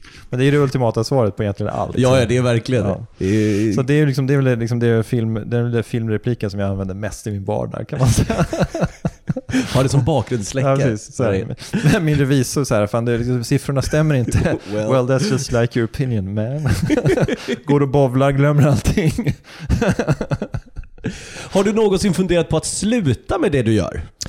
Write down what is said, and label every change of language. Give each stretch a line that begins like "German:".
Swedish: Men det är ju det ultimata svaret på egentligen allt. Ja, ja, det är verkligen. Ja. Det är... Så det är liksom, det är väl liksom det film, den där filmrepliken som jag använder mest i min vardag, kan man säga. Har det som bakgrundsläcker. Ja, min revisor så här, fan, det är liksom, siffrorna stämmer inte.
English: Well, well, that's just like your opinion, man.
Swedish: Går och bovlar, glömmer allting. Har du någonsin funderat på att sluta med det du gör?